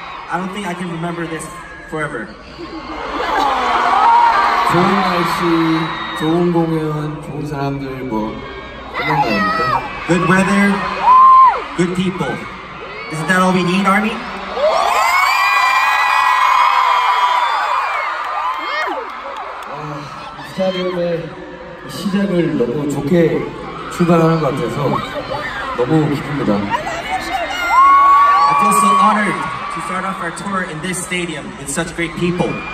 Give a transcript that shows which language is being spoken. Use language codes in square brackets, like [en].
[en] I don't think I can remember this forever. [ko] 좋은 날씨, 좋은 공연, 좋은 사람들, 뭐 그런 거 아닙니까? [en] Good weather, good people. Isn't that all we need, Army? Yeah! [ko] 시작을 너무 좋게 출발하는 것 같아서 너무 기쁩니다. [en] I feel so honored to start off our tour in this stadium with such great people.